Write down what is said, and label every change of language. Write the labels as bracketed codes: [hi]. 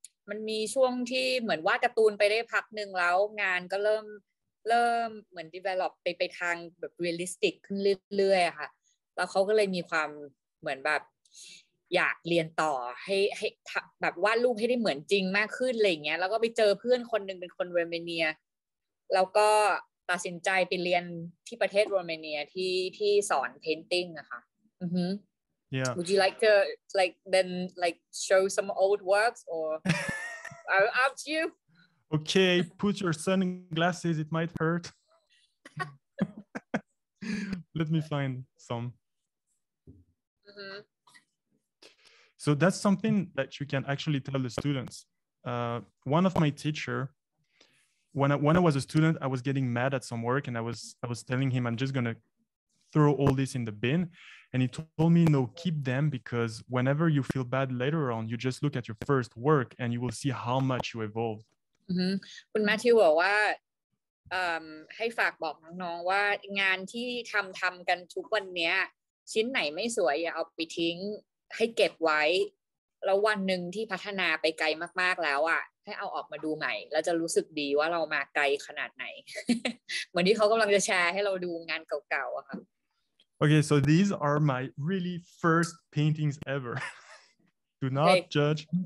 [th] มันมีช่วงที่เหมือนวาดการ์ตูนไปได้พักนึงแล้วงานก็เริ่มเหมือน develop ไปทางแบบ realistic ขึ้นเรื่อยๆค่ะแล้วเขาก็เลยมีความเหมือนแบบอยากเรียนต่อให้แบบวาดรูปให้ได้เหมือนจริงมากขึ้นอะไรเงี้ยแล้วก็ไปเจอเพื่อนคนหนึ่งเป็นคนโรมาเนียแล้วก็ตัดสินใจไปเรียนที่ประเทศโรมาเนียที่สอน painting อะค่ะ [en] Yeah Would you like to then show some old works or up to you Okay, put your sunglasses. It might hurt. Let me find some. Mm-hmm. So that's something that you can actually tell the students. one of my teacher, when I was a student, I was getting mad at some work, and I was telling him, I'm just going to throw all this in the bin. And he told me, no, keep them, because whenever you feel bad later on, you just look at your first work and you will see how much you evolved. Mm-hmm. [th] คุณ Matthew บอกว่าให้ฝากบอกน้องๆว่างานที่ทำกันทุกวันเนี้ยชิ้นไหนไม่สวยอย่าเอาไปทิ้งให้เก็บไว้แล้ววันหนึ่งที่พัฒนาไปไกลมากๆแล้วอ่ะให้เอาออกมาดูใหม่เราจะรู้สึกดีว่าเรามาไกลขนาดไหนเหมือนที่เขากำลังจะแชร์ให้เราดูงานเก่าๆอะค่ะ [en] โอเค so these are my really first paintings ever do not judge